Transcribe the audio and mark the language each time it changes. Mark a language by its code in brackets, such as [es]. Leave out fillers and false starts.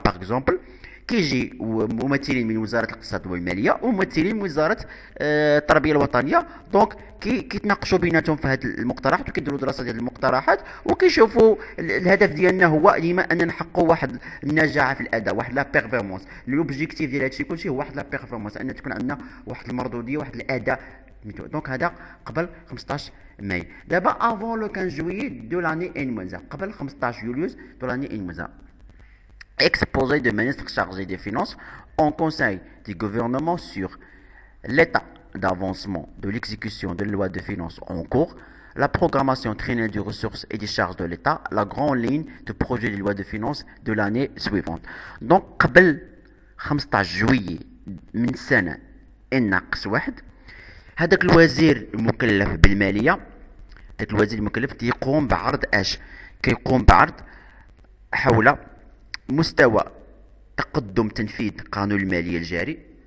[fr] باغ اكزومبل [ar] كيجي ممثلين من وزاره الاقتصاد والماليه وممثلين من وزاره التربيه الوطنيه، دونك كيتناقشوا بيناتهم في هذه المقترحات، وكيديروا دراسه ديال المقترحات، وكيشوفوا الهدف ديالنا هو لما ان نحققوا واحد النجاعه في الاداء، واحد لا بيرفورمانس. لوبجيكتيف ديال هادشي كلشي هو واحد لا بيرفورمانس، ان تكون عندنا واحد المردوديه، واحد الاداء. دونك هذا قبل 15 ماي. دابا [fr] افون لو 15 جويي دو لاني ان موزا، [ar] قبل 15 يوليوز [fr] دو لاني ان موزا، exposé de ministre chargé des finances en conseil du gouvernement sur l'état d'avancement de l'exécution de la loi de finances en cours, la programmation triennale des ressources et des charges de l'État, la grande ligne du projet de loi de finances de l'année suivante. [ar] Donc, قبل 15 juillet من سنة ناقص واحد، هذاك الوزير المكلف بالمالية، هذاك الوزير المكلف تيقوم بعرض اش؟ كيقوم بعرض حول مستوى تقدم تنفيذ قانون المالية الجاري.